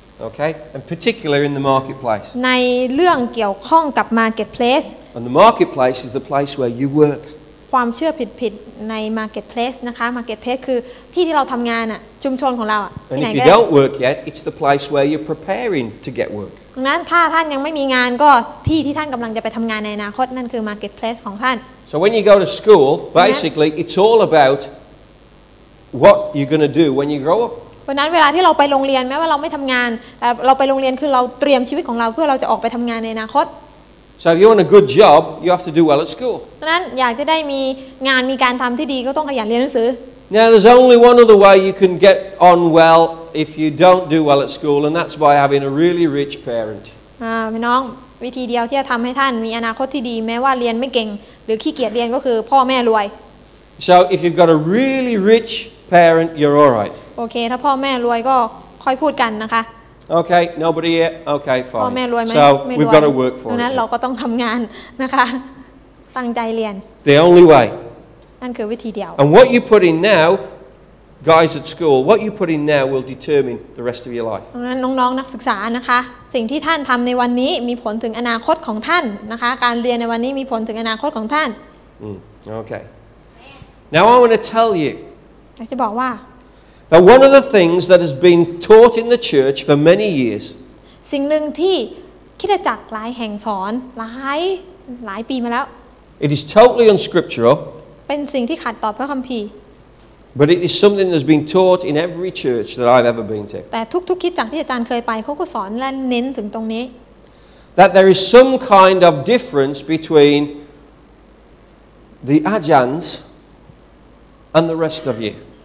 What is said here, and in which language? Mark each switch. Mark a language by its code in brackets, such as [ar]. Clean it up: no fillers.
[en] Okay, and particularly in the marketplace. [th] ในเรื่องเกี่ยวข้องกับ marketplace. [en] And the marketplace is the place where you work. [th] ความเชื่อผิดๆใน marketplace นะคะ marketplace คือที่ที่เราทำงานอะชุมชนของเราอะ [en] And if you don't work yet, it's the place where you're preparing to get work. [th] นั้นถ้าท่านยังไม่มีงานก็ที่ที่ท่านกำลังจะไปทำงานในอนาคตนั่นคือ marketplace ของท่าน [en] So when you go to school, basically it's all about what you're going to do when you grow up. [th] เพราะนั้นเวลาที่เราไปโรงเรียนแม้ว่าเราไม่ทำงานแต่เราไปโรงเรียนคือเราเตรียมชีวิตของเราเพื่อเราจะออกไปทำงานในอนาคต [en] So if you want a good job you have to do well at school [th] เพราะนั้นอยากจะได้มีงานมีการทำที่ดีก็ต้องขยันเรียนหนังสือ [en] Now there's only one other way you can get on well if you don't do well at school and that's by having a really rich parent [th] พี่น้องวิธีเดียวที่จะทำให้ท่านมีอนาคตที่ดีแม้ว่าเรียนไม่เก่งหรือขี้เกียจเรียนก็คือพ่อแม่รวย [en] So if you've got a really rich parent you're all right [th] โอเคถ้าพ่อแม่รวยก็ค่อยพูดกันนะคะ [en] โอเค nobody yet okay fine [th] พ่อแม่รวยไหม [en] so we've got to work for it [th] นั้นเราก็ต้องทำงานนะคะตั้งใจเรียน [en] the only way [th] นั่นคือวิธีเดียว [en] and what you put in now guys at school what you put in now will determine the rest of your life [th] นั้นน้องๆนักศึกษานะคะสิ่งที่ท่านทำในวันนี้มีผลถึงอนาคตของท่านนะคะการเรียนในวันนี้มีผลถึงอนาคตของท่าน [en] okay now I want to tell you [th] อยากจะบอกว่า [en] That one of the things that has been taught in the church for many years. [th] สิ่งหนึ่งที่คริสตจักรหลายแห่งสอนหลายปีมาแล้ว [en] It is totally unscriptural. [th] เป็นสิ่งที่ขัดต่อพระคัมภีร์ [en] But it is something that's been taught in every church that I've ever been to. [th] แต่ทุกๆคริสตจักรที่อาจารย์เคยไปเขาก็สอนและเน้นถึงตรงนี้ [en] That there is some kind of difference between the Ajans and the rest of you.